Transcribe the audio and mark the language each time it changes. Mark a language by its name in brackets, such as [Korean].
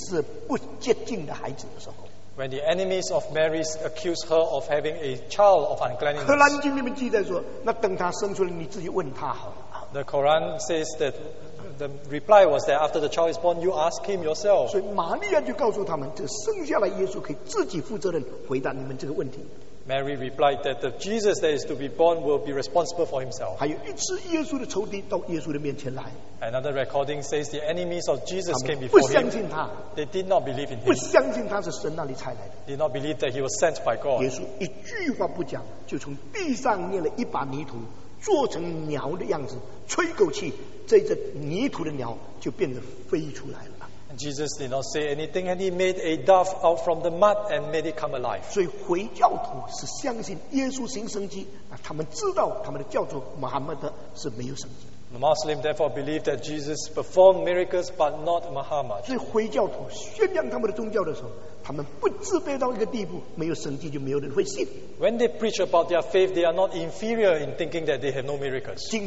[Chinese] 耶稣的仇敌，玛利亚的仇敌，说你生的这一定是不洁净的孩子的时候。 [English] When the enemies of Mary accused her of having a child of uncleanness. [Chinese] 可兰经里面记载说，那等他生出来，你自己问他好了。 [English] The Quran says that. The reply was that after the child is born, you ask him yourself. [Chinese] 所以玛利亚就告诉他们，这生下来耶稣可以自己负责任回答你们这个问题。 [English] Mary replied that the Jesus that is to be born will be responsible for himself. Another recording says the enemies of Jesus came before him. They did not believe in him. They did not believe that he was sent by God. [Chinese] 耶稣一句话不讲，就从地上捏了一把泥土。做成鸟的样子，吹一口气，这只泥土的鸟就变得飞出来了。 [English] Jesus did not say anything, and he made a dove out from the mud and made it come alive. [Chinese] 所以回教徒是相信耶稣行神迹，他们知道他们的教主穆罕默德是没有神迹。 [English] The Muslims therefore believe that Jesus performed miracles, but not Muhammad. [Chinese] 所以回教徒宣扬他们的宗教的时候。他们不自卑到一个地步，没有神迹就没有人会信。 [English] When they preach about their faith, they are not inferior in thinking that they have no miracles.